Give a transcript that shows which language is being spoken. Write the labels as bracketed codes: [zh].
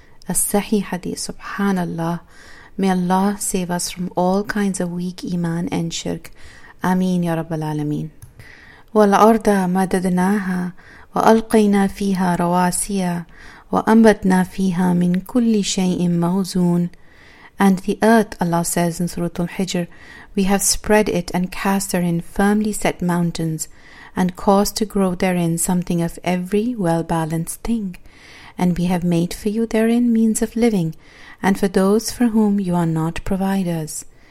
[en] A Sahih Hadith, subhanallah. May Allah save us from all kinds of weak iman and shirk. [ar] Ameen ya Rabbal Alameen. والأرض مددناها وألقينا فيها رواسيا وأنبتنا فيها من كل شيء موزون. [en] And the earth, Allah says in Surah Al-Hijr, we have spread it and cast therein firmly set mountains and caused to grow therein something of every well-balanced thing. And we have made for you therein means of living and for those for whom you are not providers.